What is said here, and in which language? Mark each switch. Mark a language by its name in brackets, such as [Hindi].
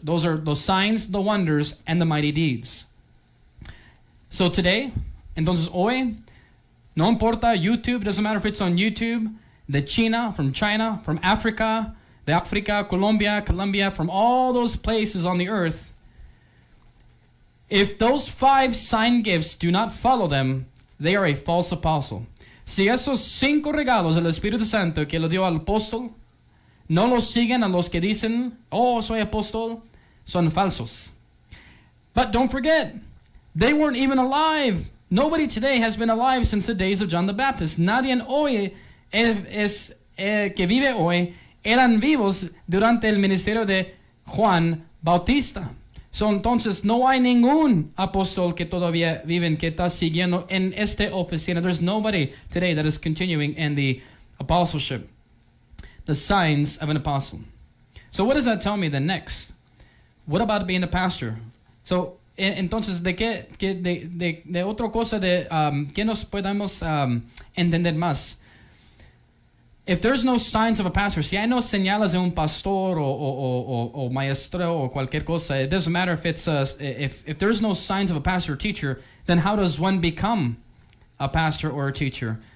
[English] Those are the signs, the wonders, and the mighty deeds. So today, [Spanish] entonces hoy, no importa YouTube, [English] doesn't matter if it's on YouTube, the China, from Africa, the Africa, Colombia, from all those places on the earth, if those five sign gifts do not follow them, they are a false apostle. [Spanish] Si esos cinco regalos del Espíritu Santo que lo dio al apóstol, no los siguen a los que dicen, oh, soy apóstol, son falsos. [English] But don't forget, they weren't even alive. Nobody today has been alive since the days of John the Baptist. [Spanish] Nadie hoy que vive hoy eran vivos durante el ministerio de Juan Bautista. So entonces, no hay ningún apóstol que todavía viven que está siguiendo en este oficina. [English] There's nobody today that is continuing in the apostleship. The signs of an apostle. So what does that tell me then next? What about being a pastor? [Spanish] So, entonces, de otra cosa de, ¿qué nos podemos entender más? [English] If there's no signs of a pastor, [Spanish] si hay no señales de un pastor o maestro o cualquier cosa, [English] it doesn't matter if it's, if there's no signs of a pastor or teacher, then how does one become a pastor or a teacher?